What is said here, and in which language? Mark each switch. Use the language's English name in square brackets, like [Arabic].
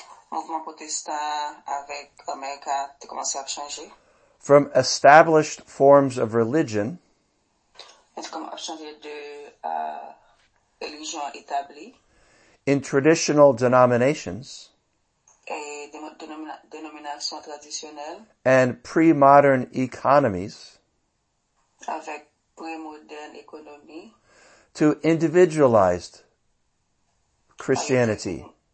[French] Mouvement protestant avec America a commencé à changer. [English] From established forms of religion, [French] a changé de, religion établie, [English] in traditional denominations, [French] et denomination traditionnelle, [English] and pre-modern economies, [French] avec pre-modern économie, [English] to individualized Christianity.